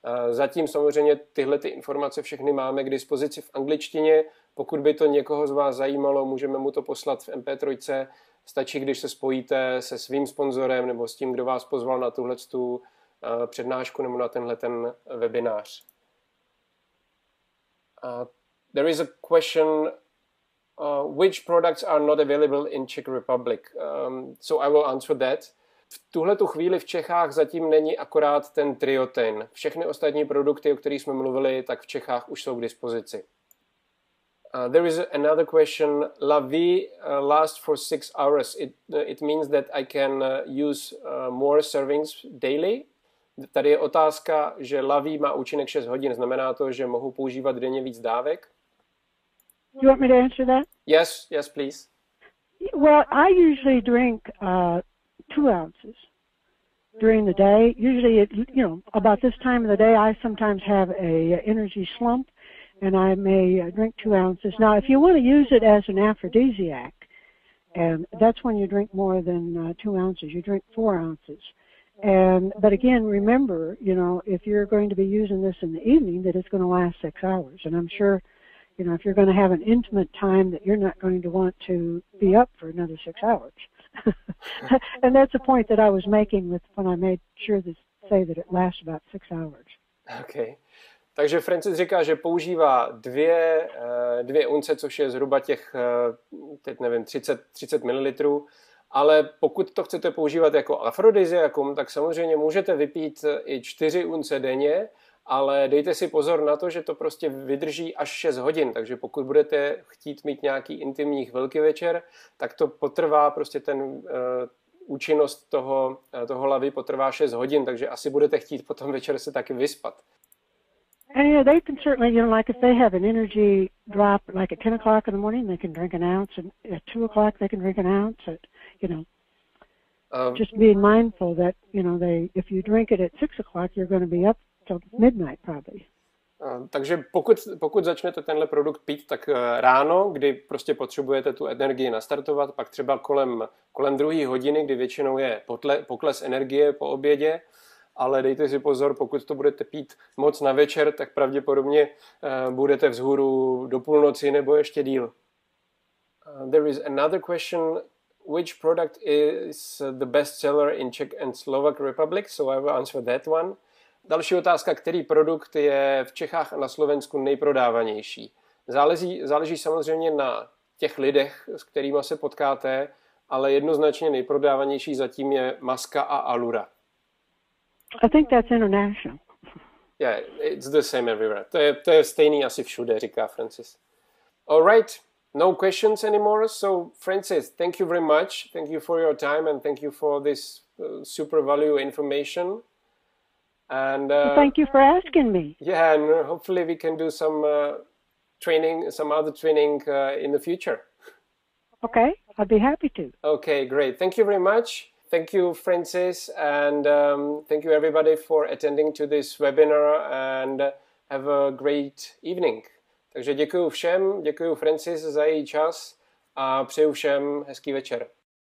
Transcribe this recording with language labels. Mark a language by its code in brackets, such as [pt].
[cs] Zatím samozřejmě tyhle ty informace všechny máme k dispozici v angličtině. Pokud by to někoho z vás zajímalo, můžeme mu to poslat v MP3. Stačí, když se spojíte se svým sponzorem nebo s tím, kdo vás pozval na tuhletu přednášku nebo na tenhle ten webinář. [en] There is a question, which products are not available in Czech Republic? So I will answer that. [cs] V tuhletu chvíli v Čechách zatím není akorát ten triotin. Všechny ostatní produkty, o kterých jsme mluvili, tak v Čechách už jsou k dispozici. [en] There is another question. La vie lasts for 6 hours. It means that I can use more servings daily. [cs] Tady je otázka, že la vie má účinek 6 hodin. Znamená to, že mohu používat denně víc dávek? [en] Do you want me to answer that? Yes, please. Well, I usually drink 2 ounces during the day. Usually, about this time of the day, I sometimes have a energy slump. And I may drink 2 ounces. Now, if you want to use it as an aphrodisiac, and that's when you drink more than 2 ounces, you drink 4 ounces. But again, remember, you know, if you're going to be using this in the evening, that it's going to last 6 hours. And I'm sure, you know, if you're going to have an intimate time, that you're not going to want to be up for another 6 hours. And that's a point that I was making when I made sure this say that it lasts about 6 hours. Okay. [cs] Takže Francis říká, že používá dvě unce, což je zhruba těch, teď nevím, 30 ml. Ale pokud to chcete používat jako afrodiziakum, tak samozřejmě můžete vypít i 4 unce denně, ale dejte si pozor na to, že to prostě vydrží až 6 hodin. Takže pokud budete chtít mít nějaký intimní chvilky večer, tak to potrvá prostě ten účinnost toho lavy potrvá 6 hodin, takže asi budete chtít potom večer se taky vyspat. [en] And yeah, they can certainly, you know, like if they have an energy drop like at 10 o'clock in the morning, they can drink an ounce, and at 2 o'clock they can drink an ounce, at, you know, just being mindful that, you know, they, if you drink it at 6 o'clock, you're going to be up till midnight probably. [cs] Takže pokud začnete tenhle produkt pít, tak ráno, kdy prostě potřebujete tu energii nastartovat, pak třeba kolem 2 hodiny, kdy většinou je pokles energie po obědě, ale dejte si pozor, pokud to budete pít moc na večer, tak pravděpodobně budete vzhůru do půlnoci nebo ještě díl. [en] There is another question. Which product is the best seller in Czech and Slovak Republic? So I will answer that one. [cs] Další otázka, který produkt je v Čechách a na Slovensku nejprodávanější? Záleží samozřejmě na těch lidech, s kterými se potkáte, ale jednoznačně nejprodávanější zatím je maska a Alura. [en] I think that's international. Yeah, it's the same everywhere. [cs] To je stejný asi všude, říká Francis. [en] All right, no questions anymore. So Francis, thank you very much. Thank you for your time and thank you for this super value information. And thank you for asking me. Yeah, and hopefully we can do some other training in the future. Okay, I'd be happy to. Okay, great. Thank you very much. Thank you, Francis, and thank you everybody for attending to this webinar and have a great evening. [cs] Takže děkuju všem, děkuju Francis za její čas a přeju všem hezký večer.